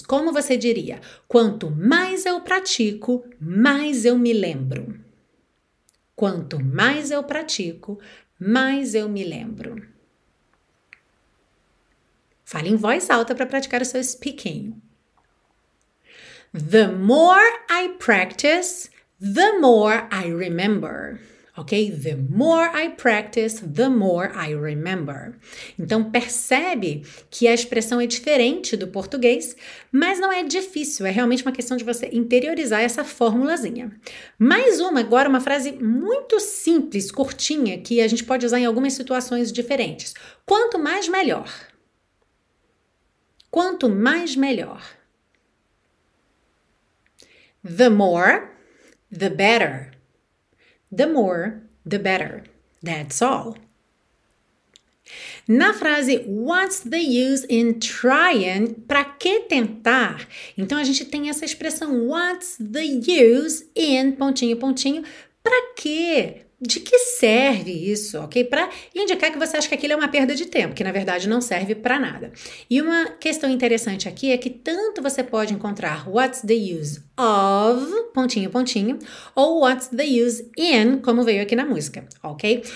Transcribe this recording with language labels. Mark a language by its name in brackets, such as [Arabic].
[Portuguese] Como você diria? Quanto mais eu pratico, mais eu me lembro. Quanto mais eu pratico, mais eu me lembro. Fale em voz alta para praticar o seu speaking. [English] The more I practice, the more I remember. Ok? The more I practice, the more I remember. [Portuguese] Então, percebe que a expressão é diferente do português, mas não é difícil. É realmente uma questão de você interiorizar essa formulazinha. Mais uma agora, uma frase muito simples, curtinha, que a gente pode usar em algumas situações diferentes. Quanto mais, melhor. Quanto mais, melhor. [English] The more, the better. The more, the better. That's all. [Portuguese] Na frase, [English] what's the use in trying? [Portuguese] Pra que tentar? Então, a gente tem essa expressão, [English] what's the use in, [Portuguese] pontinho, pontinho. Pra que? De que serve isso, ok? Pra indicar que você acha que aquilo é uma perda de tempo, que na verdade não serve pra nada. E uma questão interessante aqui é que tanto você pode encontrar [English] what's the use of, [Portuguese] pontinho, pontinho, ou [English] what's the use in, [Portuguese] como veio aqui na música, ok?